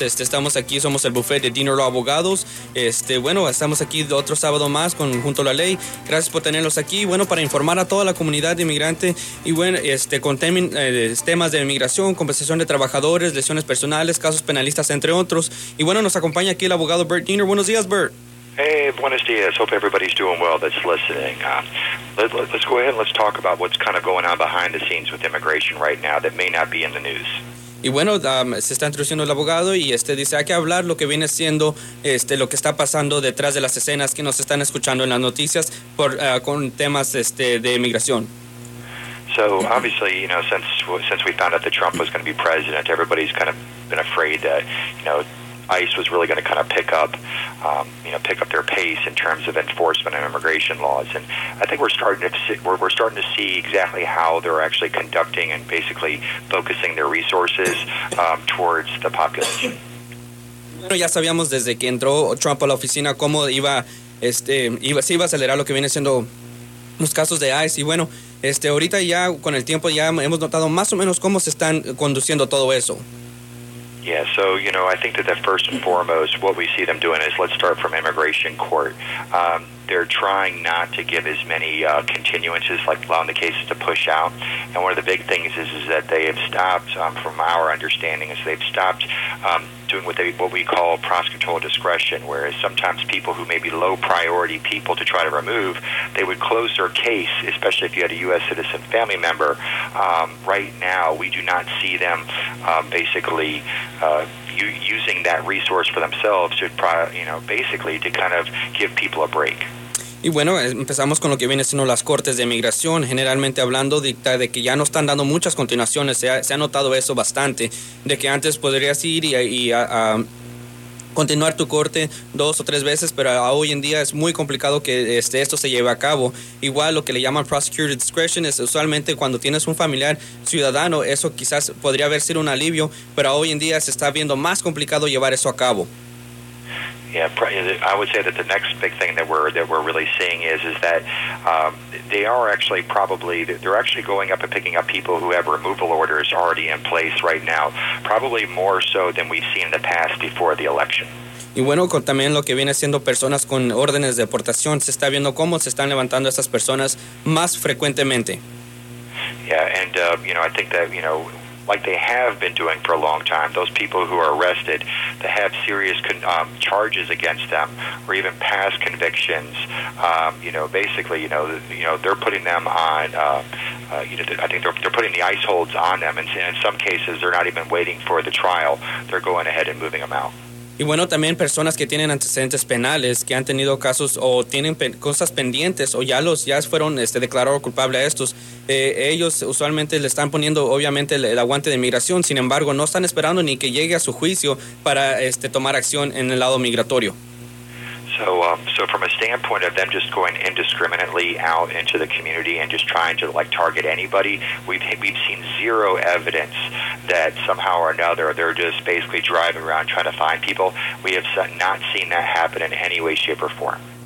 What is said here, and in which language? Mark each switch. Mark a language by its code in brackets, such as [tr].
[es] Estamos aquí, somos el buffet de Dinner Law Abogados. Bueno, estamos aquí otro sábado más con Junto a la Ley. Gracias por tenerlos aquí. Bueno, para informar a toda la comunidad de inmigrante y bueno, con temas de inmigración, compensación de trabajadores, lesiones personales, casos penalistas, entre otros. Y bueno, nos acompaña aquí el abogado Bert Diener. Buenos días, Bert. [en] Hey, [es] buenos días. [en] Hope everybody's doing well that's listening. Let's go ahead and let's talk about what's kind of going on behind the scenes with immigration right now that may not be in the news. [es] Y bueno, se está introduciendo el abogado y dice, hay que hablar lo que viene siendo lo que está pasando detrás de las escenas que nos están escuchando en las noticias por con temas de inmigración. [en] So obviously, you know, since we found out that Trump was going to be president, everybody's kind of been afraid that, you know, ICE was really going to kind of pick up their pace in terms of enforcement and immigration laws. And I think we're starting to see exactly how they're actually conducting and basically focusing their resources towards the population. [es] Bueno, ya sabíamos desde que entró Trump a la oficina cómo iba a acelerar lo que viene siendo los casos de ICE. Y bueno, ahorita ya con el tiempo ya hemos notado más o menos cómo se están conduciendo todo eso. [en] Yeah, so, you know, I think that the first and foremost, what we see them doing is, let's start from immigration court. They're trying not to give as many continuances, like allowing the cases to push out. And one of the big things is that they have stopped, from our understanding, is they've stopped doing what we call prosecutorial discretion, whereas sometimes people who may be low-priority people to try to remove, they would close their case, especially if you had a U.S. citizen family member. Right now, we do not see them using that resource for themselves to kind of give people a break. [es] Y bueno, empezamos con lo que viene siendo las cortes de inmigración. Generalmente hablando, dicta de que ya no están dando muchas continuaciones. Se ha notado eso bastante, de que antes podrías ir y continuar tu corte dos o tres veces, pero hoy en día es muy complicado que esto se lleve a cabo. Igual lo que le llaman prosecutor discretion es usualmente cuando tienes un familiar ciudadano, eso quizás podría haber sido un alivio, pero hoy en día se está viendo más complicado llevar eso a cabo. [en] Yeah, I would say that the next big thing that we're really seeing is that they are actually probably, they're actually going up and picking up people who have removal orders already in place right now, probably more so than we've seen in the past before the election. [es] Y bueno, con también lo que viene siendo personas con órdenes de deportación, se está viendo cómo se están levantando esas personas más frecuentemente. [en] Yeah, and, you know, I think that, you know, like they have been doing for a long time, those people who are arrested that have serious charges against them or even past convictions, they're putting them on, I think they're putting the ICE holds on them. And in some cases, they're not even waiting for the trial. They're going ahead and moving them out. [es] Y bueno, también personas que tienen antecedentes penales, que han tenido casos o tienen cosas pendientes o ya fueron declarados culpables a estos, ellos usualmente le están poniendo obviamente el aguante de inmigración, sin embargo, no están esperando ni que llegue a su juicio para tomar acción en el lado migratorio. [en] So from a standpoint of them just going indiscriminately out into the community and just trying to like target anybody, we've seen zero evidence that somehow or another they're just basically driving around trying to find people. We have not seen that happen in any way, shape, or form.